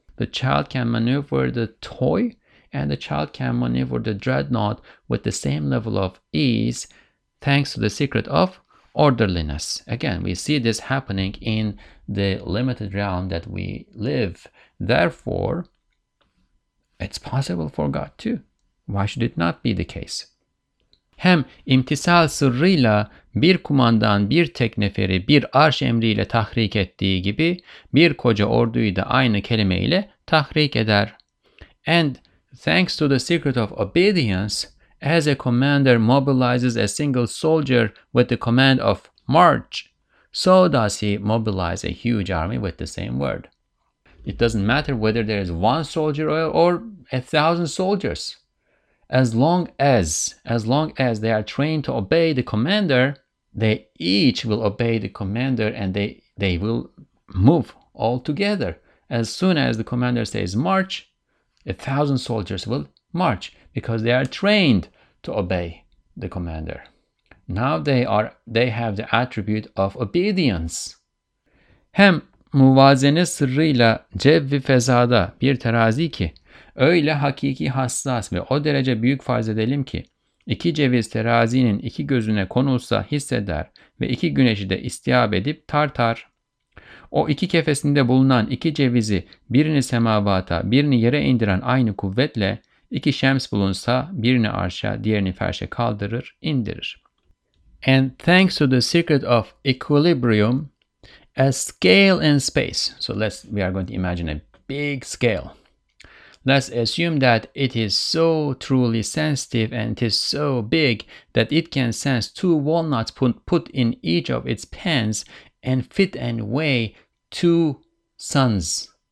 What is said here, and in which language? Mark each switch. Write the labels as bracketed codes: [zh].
[en] The child can maneuver the toy, and the child can maneuver the dreadnought with the same level of ease, thanks to the secret of orderliness. Again, we see this happening in the limited realm that we live. Therefore, it's possible for God too. Why should it not be the case? [tr] Hem imtisal sırrıyla bir kumandan bir tek neferi bir arş emriyle tahrik ettiği gibi bir koca orduyu da aynı kelime ile tahrik eder. [en] And thanks to the secret of obedience, as a commander mobilizes a single soldier with the command of march, so does he mobilize a huge army with the same word. It doesn't matter whether there is one soldier or 1,000 soldiers. As long as they are trained to obey the commander, they each will obey the commander, and they will move all together. As soon as the commander says march, 1,000 soldiers will march, because they are trained to obey the commander. Now they have the attribute of obedience. [tr] Hem muvazene sırrıyla cevvi fezada bir terazi ki öyle hakiki hassas ve o derece büyük, farz edelim ki iki ceviz terazinin iki gözüne konulsa hisseder ve iki güneşi de istiab edip tartar. O iki kefesinde bulunan iki cevizi, birini semavata, birini yere indiren aynı kuvvetle iki şems bulunsa birini arşa, diğerini ferşe kaldırır, indirir. [en] And thanks to the secret of equilibrium, a scale in space. So we are going to imagine a big scale. Let's assume that it is so truly sensitive and it is so big that it can sense two walnuts put in each of its pans and fit and weigh two suns.